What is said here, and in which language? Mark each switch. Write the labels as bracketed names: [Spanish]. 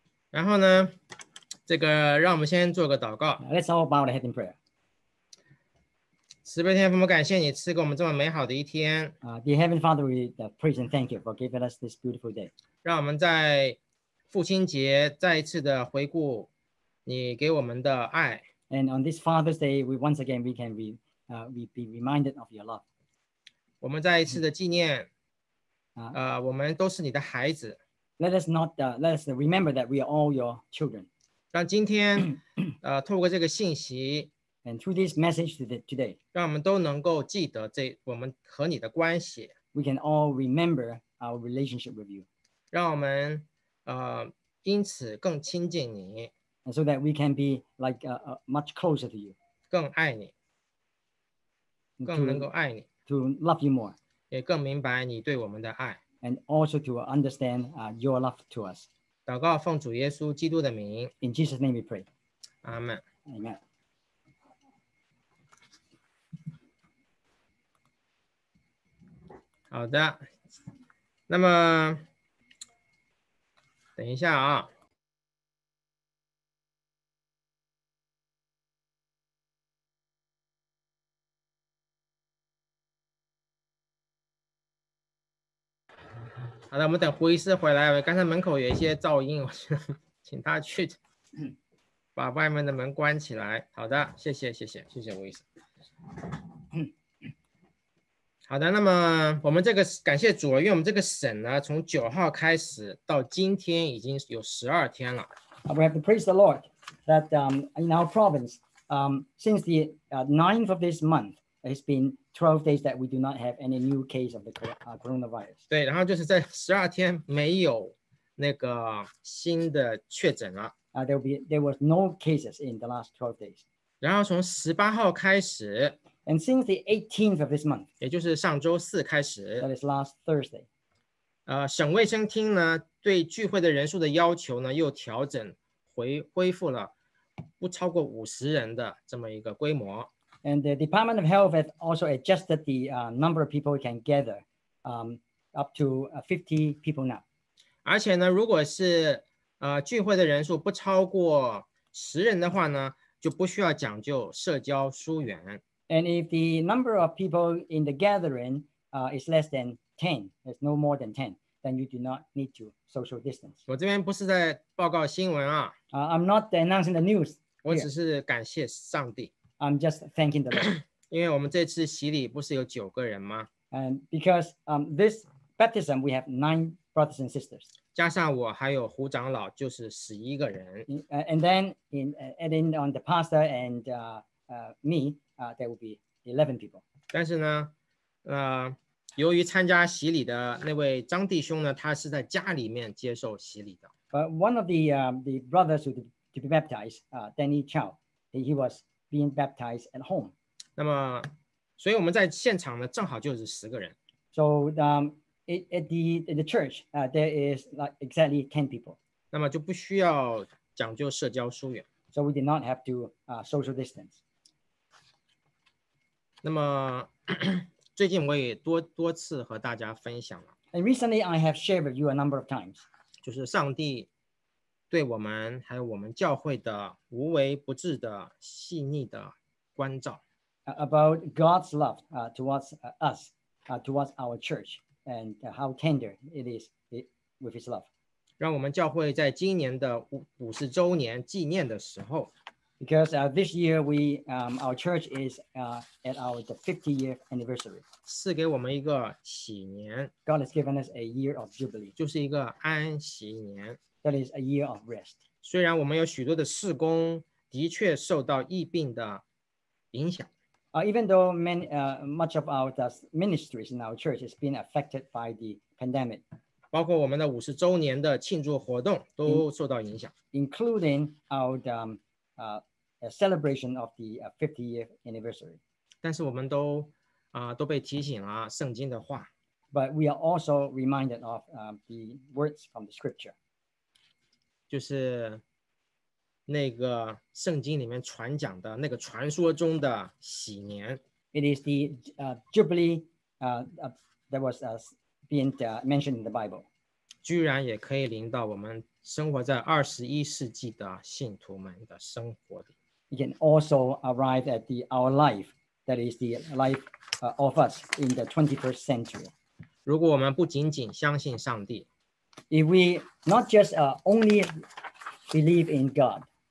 [Chinese] 然后呢，这个让我们先做个祷告。 [English] Let's all bow our head in prayer. [Chinese] 慈悲天父，我们感谢你赐给我们这么美好的一天。 [English] Dear Heavenly Father, we praise and thank you for giving us this beautiful day. [Chinese] 让我们在父亲节再一次的回顾你给我们的爱。 [English] And on this Father's Day, we once again we can we be reminded of your love. [Chinese] 我们再一次的纪念，我们都是你的孩子。 [English] Let us remember that we are all your children. [Chinese] 让今天，透过这个信息 [English] ，and through this message today， [Chinese] 让我们都能够记得这我们和你的关系。 [English] We can all remember our relationship with you. [Chinese] 让我们，因此更亲近你 [English] ，so that we can be like much closer to you. [Chinese] 更爱你，更能够爱你。 [English] To love you more. [Chinese] 也更明白你对我们的爱。 [English] And also to understand your love to us. [Chinese] 祷告奉主耶稣基督的名。 [English] In Jesus' name we pray. Amen. Amen. [Chinese] 好的。那么，等一下啊。好的，我们等胡医师回来。刚才门口有一些噪音，我请他去把外面的门关起来。好的，谢谢胡医师。好的，那么我们这个感谢主，因为我们这个省呢，从九号开始到今天已经有十二天了。 [English] We have to praise the Lord that in our province, since the ninth of this month. It's been 12 days that we do not have any new case of the coronavirus. [Chinese] 对，然后就是在十二天没有那个新的确诊了。 [English] There was no cases in the last 12 days. [Chinese] 然后从十八号开始 [English] ，and since the 18th of this month， [Chinese] 也就是上周四开始 [English] ，that is last Thursday， [Chinese] 省卫生厅呢对聚会的人数的要求呢又调整回恢复了不超过五十人的这么一个规模。 [English] And the Department of Health has also adjusted the number of people we can gather up to 50 people now. [Chinese] 而且呢，如果是聚会的人数不超过十人的话呢，就不需要讲究社交疏远。 [English] And if the number of people in the gathering is less than 10, there's no more than 10, then you do not need to social distance. [Chinese] 我这边不是在报告新闻啊。 [English] I'm not announcing the news. [Chinese] 我只是感谢上帝。 [English] I'm just thanking the Lord. [Chinese] 因为我们这次洗礼不是有九个人吗？ [English] And because this baptism, we have nine brothers and sisters. [Chinese] 加上我还有胡长老，就是十一个人。 [English] And then in adding on the pastor and me, there will be 11 people. [Chinese] 但是呢，由于参加洗礼的那位张弟兄呢，他是在家里面接受洗礼的。 [English] But one of the brothers to be baptized, Danny Chow, he was. Being baptized at home. [Chinese] 那么，所以我们在现场呢，正好就是十个人。 [English] So at the church, there is like exactly 10 people. [Chinese] 那么就不需要讲究社交疏远。 [English] So we did not have to social distance. [Chinese] 那么最近我也多次和大家分享了。 [English] And recently, I have shared with you a number of times. [Chinese] 就是上帝。对我们还有我们教会的无微不至的细腻的关照 [English] about God's love towards us towards our church and how tender it is with his love. [Chinese] 让我们教会在今年的50周年纪念的时候 [English] ，because this year we our church is at our 50th anniversary. [Chinese] 赐给我们一个喜年 [English] ，God has given us a year of jubilee. [Chinese] 就是一个安息年 [English] ，that is a year of rest. [Chinese] 虽然我们有许多的事工的确受到疫病的影响 [English] even though much of our ministries in our church has been affected by the pandemic. [Chinese] 包括我们的五十周年的庆祝活动都受到影响 [English] including our celebration of the 50th anniversary. [Chinese] 但是我们都都被提醒了圣经的话 [English] but we are also reminded of the words from the scripture. [Chinese] 就是那个圣经里面传讲的那个传说中的喜年 [English] It is the jubilee that was us. Being mentioned in the Bible. [Chinese] 居然也可以临到我们生活在二十一世纪的信徒们的生活里。 [English] You can also arrive at the our life, that is the life of us in the 21st century. [Chinese] 如果我们不仅仅相信上帝 [English] If we not just only believe in God,